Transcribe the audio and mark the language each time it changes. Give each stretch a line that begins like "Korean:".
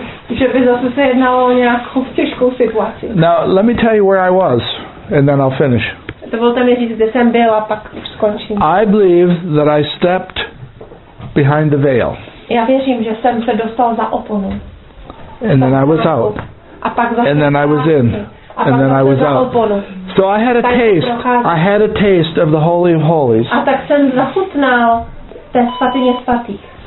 Czech: Že by zase se jednalo o nějakou těžkou situaci.
English: Now, let me tell you where I was, and then I'll finish.
Czech: Dovolte mi říct, kde jsem byl a pak skončím.
English: I believe that I stepped behind the veil.
Czech: Já věřím, že jsem se dostal za oponu.
English: And then I was out.
Czech: A pak zase.
English: And then I was in. And then I was out. So I had a taste. I had a taste of the Holy of Holies.
Czech: A tak jsem zachutnal té svatyně svatých.